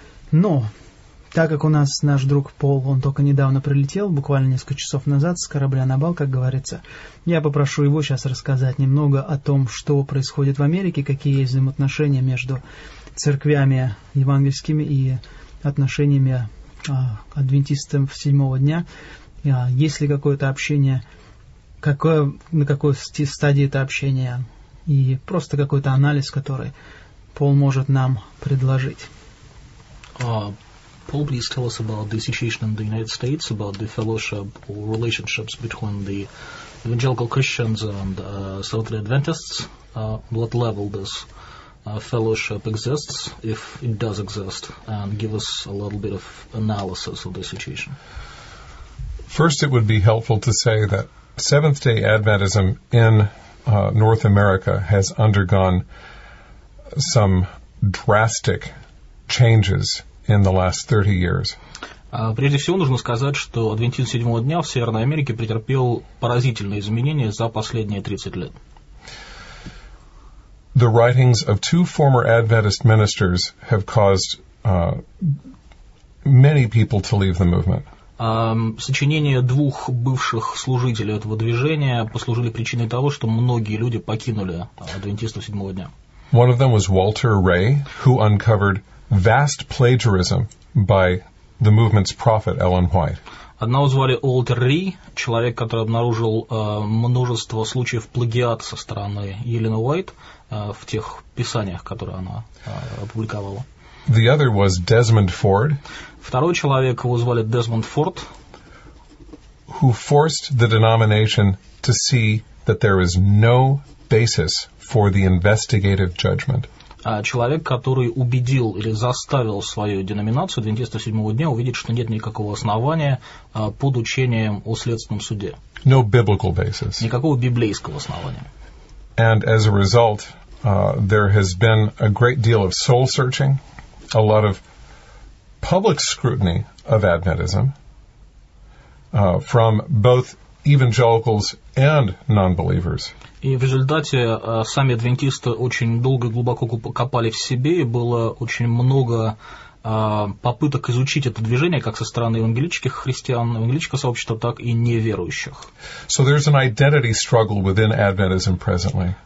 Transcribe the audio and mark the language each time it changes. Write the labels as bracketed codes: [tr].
[ru] Но, так как у нас наш друг Пол, он только недавно прилетел, буквально несколько часов назад, с корабля на бал, как говорится, я попрошу его сейчас рассказать немного о том, что происходит в Америке, какие есть взаимоотношения между церквями евангельскими и отношениями адвентистов седьмого дня. Есть ли какое-то общение, на какой стадии это общение, и просто какой-то анализ, который Пол может нам предложить. [en] Paul, please tell us about the situation in the United States, about the fellowship or relationships between the evangelical Christians and Seventh-day Adventists, what level this fellowship exists, if it does exist, and give us a little bit of analysis of the situation. First, it would be helpful to say that Seventh-day Adventism in North America has undergone some drastic changes in the last 30 years. [ru] Прежде всего, нужно сказать, что адвентизм седьмого дня в Северной Америке претерпел поразительные изменения за последние 30 лет. [en] The writings of two former Adventist ministers have caused many people to leave the movement. [ru] Сочинения двух бывших служителей этого движения послужили причиной того, что многие люди покинули адвентистов седьмого дня. [en] One of them was Walter Ray, who uncovered vast plagiarism by the movement's prophet Ellen White. [ru] Одного звали Уолтер Ри, человек, который обнаружил множество случаев плагиата со стороны Эллен Уайт в тех писаниях, которые она опубликовала. [en] The other was Desmond Ford. [ru] Второй человек, его звали Desmond Ford, [en] who forced the denomination to see that there is no basis for the investigative judgment. [ru] Человек, который убедил или заставил свою деноминацию адвентистов седьмого дня увидеть, что нет никакого основания под учением о следственном суде. [en] No biblical basis. [ru] Никакого библейского основания. [en] And as a result, there has been a great deal of soul searching, a lot of public scrutiny of Adventism from both evangelicals and non-believers. [ru] И в результате сами адвентисты очень долго и глубоко копали в себе, и было очень много попыток изучить это движение как со стороны евангелических христиан, евангелического сообщества, так и неверующих. [en] So there's an identity struggle within Adventism presently.